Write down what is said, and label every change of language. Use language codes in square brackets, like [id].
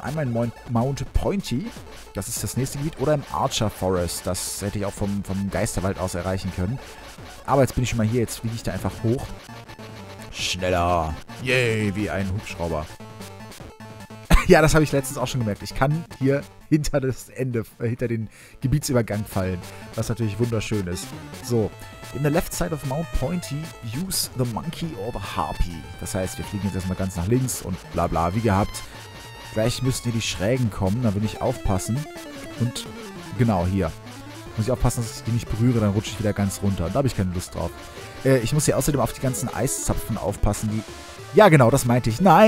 [de] Einmal in Mount Pointy, das ist das nächste Gebiet, oder im Archer Forest, das hätte ich auch vom Geisterwald aus erreichen können. Aber jetzt bin ich schon mal hier, jetzt fliege ich da einfach hoch. Schneller. Yay, wie ein Hubschrauber. Ja, das habe ich letztens auch schon gemerkt. Ich kann hier hinter das Ende, hinter den Gebietsübergang fallen, was natürlich wunderschön ist. [en] So, in the left side of Mount Pointy, use the monkey or the harpy. [de] Das heißt, wir fliegen jetzt erstmal ganz nach links und bla bla, wie gehabt. Gleich müssen hier die Schrägen kommen, da will ich aufpassen. Und genau, hier. Muss ich aufpassen, dass ich die nicht berühre, dann rutsche ich wieder ganz runter. Da habe ich keine Lust drauf. Ich muss hier außerdem auf die ganzen Eiszapfen aufpassen, die... Ja, genau, das meinte ich.